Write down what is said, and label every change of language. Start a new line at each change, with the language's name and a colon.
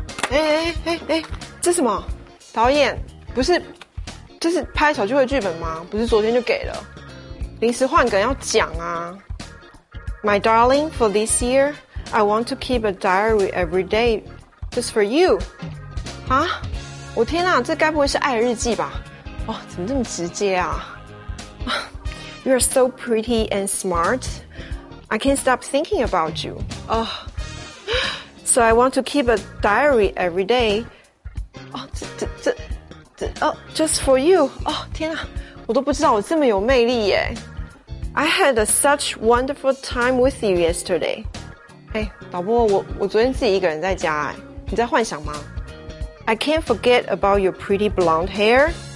Chinese: 哎，这什么？导演，不是。这是拍小聚会剧本吗？不是昨天就给了，临时换梗要讲啊。
English: My darling, for this year, I want to keep a diary every day, just for you.
Chinese: 啊，我天哪，这该不会是爱日记吧？哇、哦，怎么这么直接啊
English: ？You are so pretty and smart, I can't stop thinking about you. Oh, so I want to keep a diary every day.
Chinese: 哦，这。
English: Oh, just for you.
Chinese: Oh, 天啊，我都不知道我这么有魅力耶。
English: I had a such wonderful time with you yesterday.
Chinese: 哎，导播，我昨天自己一个人在家哎，你在幻想吗？
English: I can't forget about your pretty blonde hair.